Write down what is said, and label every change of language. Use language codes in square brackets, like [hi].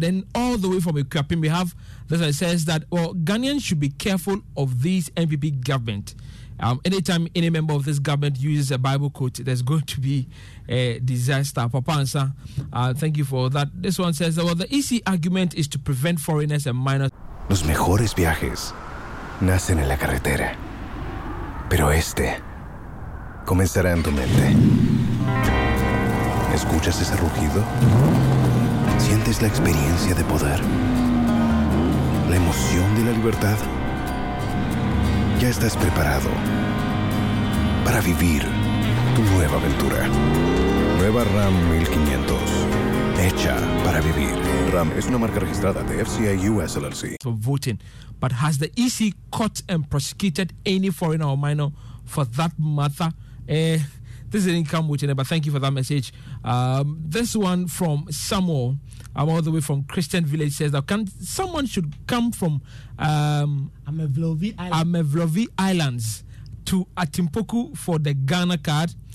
[en] Then all the way from Equapim, we have this one says that, well, Ghanaians should be careful of this NPP government. Anytime any member of this government uses a Bible quote, there's going to be a disaster. Papa Ansa, thank you for that. This one says, well, the EC argument is to prevent foreigners and minors. [es] Los mejores viajes nacen en la carretera, pero este comenzará en tu mente. ¿Escuchas ese rugido? ¿Sientes la experiencia de poder? ¿La emoción de la libertad? Ya estás preparado para vivir tu nueva aventura. Nueva Ram 1500. Hecha para vivir. Ram es una marca registrada de FCA US LLC. [en] For voting, but has the EC caught and prosecuted any foreigner or minor for that matter? This didn't come with it, but thank you for that message. This one from Samuel, I'm all the way from Christian Village, says that Amevlovi Islands to Atimpoku for the Ghana card.